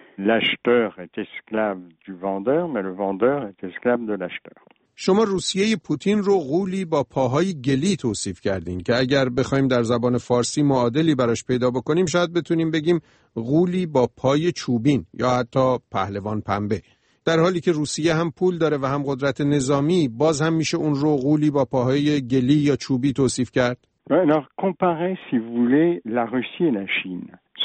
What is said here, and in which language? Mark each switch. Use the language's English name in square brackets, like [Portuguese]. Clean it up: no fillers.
[French] L'acheteur est esclave du vendeur, mais le vendeur est esclave de l'acheteur. [Persian] شما روسیه پوتین رو غولی با پاهای گلی توصیف کردین که اگر بخوایم در زبان فارسی معادلی براش پیدا بکنیم شاید بتونیم بگیم غولی با پای چوبین یا حتی پهلوان پنبه. در حالی که روسیه هم پول داره و هم قدرت نظامی، باز هم میشه اون رو غولی با پاهای گلی یا چوبی توصیف کرد؟ [French] comparez si vous voulez la Russie et la Chine.